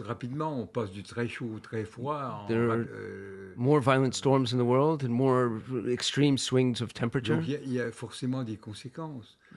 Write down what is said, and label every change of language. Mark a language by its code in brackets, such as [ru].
[fr] Rapidement, on passe du très chaud au très froid. [en] There are more violent storms in the world and more extreme swings of temperature. [fr] Donc il y a forcément des conséquences.